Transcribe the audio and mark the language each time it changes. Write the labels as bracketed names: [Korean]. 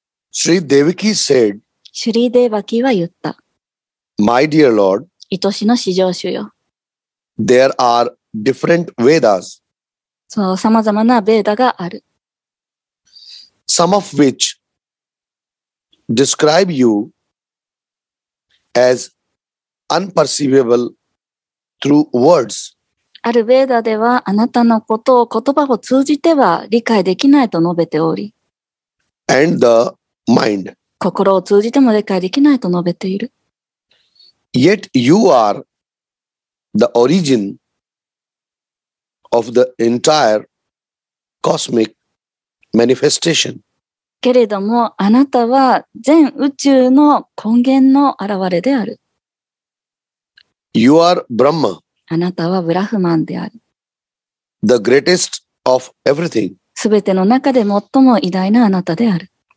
[English] Sri Devaki said, [Japanese] Sri Devaki wa yutta, [English] My dear Lord, [Japanese] 愛しの至上主よ。 [English] There are different Vedas. [Japanese] そう、様々なベーダがある。 [English] Some of which describe you as unperceivable through words. [Japanese] あるベーダではあなたのことを言葉を通じては理解できないと述べており。 [English] And the mind. [Japanese] 心を通じても理解できないと述べている。 [English] Yet you are the origin of the entire cosmic manifestation. [Japanese] けれども、あなたは全宇宙の根源の現れである。 [English] You are Brahma. [Japanese] あなたはブラフマンである。 [English] The greatest of everything. [Japanese] すべての中で最も偉大なあなたである。